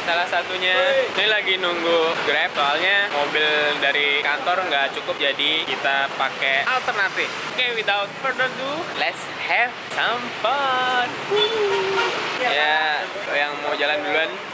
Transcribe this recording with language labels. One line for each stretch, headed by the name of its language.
Indonesian: Salah satunya ini lagi nunggu Grab, soalnya mobil dari kantor nggak cukup, jadi kita pakai alternatif.
English: Okay, without further ado, let's have some fun.
Indonesian: Ya, yang mau jalan duluan.